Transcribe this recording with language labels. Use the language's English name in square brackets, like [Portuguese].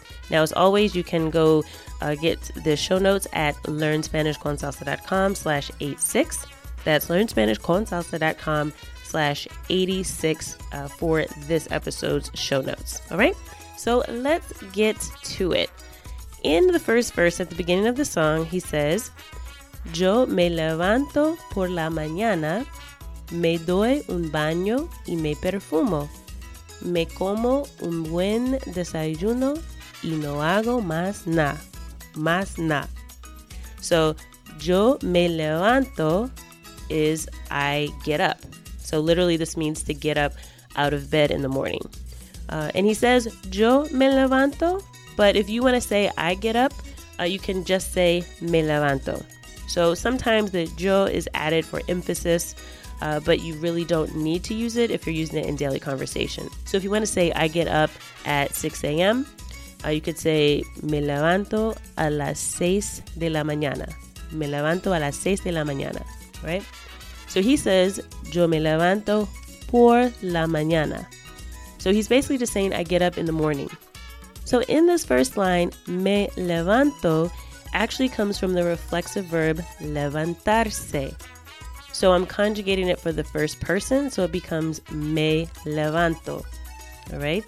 [English] Now, as always, you can go get the show notes at learnspanishconsalsa.com/86. That's learnspanishconsalsa.com/86 for this episode's show notes. All right, so let's get to it. In the first verse at the beginning of the song, he says, [Spanish] "Yo me levanto por la mañana, me doy un baño y me perfumo, me como un buen desayuno y no hago más nada, más nada." [English] So, [Spanish] yo me levanto [English] is I get up. So literally this means to get up out of bed in the morning. And he says, [Spanish] yo me levanto. [English] But if you want to say I get up, you can just say me levanto. So sometimes the yo is added for emphasis, but you really don't need to use it if you're using it in daily conversation. So if you want to say I get up at 6 a.m., you could say [Spanish] me levanto a las 6 de la mañana. Me levanto a las 6 de la mañana, right? [English] So he says, [Spanish] yo me levanto por la mañana. [English] So he's basically just saying I get up in the morning. So in this first line, me levanto actually comes from the reflexive verb levantarse. So I'm conjugating it for the first person, so it becomes me levanto, all right?